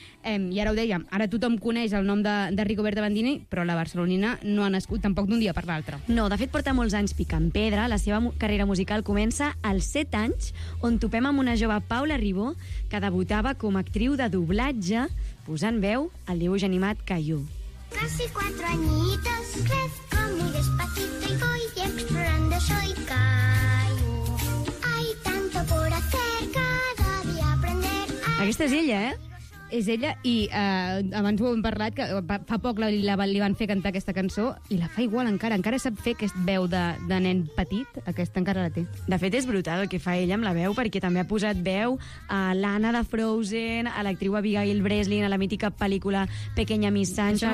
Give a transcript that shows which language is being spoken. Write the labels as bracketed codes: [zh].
[ca] I ara ho dèiem, ara tothom coneix el nom de Rigoberta Bandini, però la barcelonina no ha nascut tampoc d'un dia per l'altre. No, de fet, porta molts anys picant pedra. La seva carrera musical comença als 7 anys, on topem amb una jove Paula Ribó, que debutava com a actriu de doblatge, posant veu al dibuix animat Caillou. [es] Casi 4 añitos, crezco muy despacito y voy explorando, soy Caillou. Hay tanto por hacer, cada día aprender. [ca] Aquesta és ella, És ella, i abans ho hem parlat, que fa poc li van fer cantar aquesta cançó, i la fa igual encara sap fer aquest veu de nen petit, aquesta encara la té. De fet, és brutal el que fa ella amb la veu, perquè també ha posat veu a l'Anna de Frozen, a l'actriu Abigail Breslin, a la mítica pel·lícula Pequeña Miss Sunshine.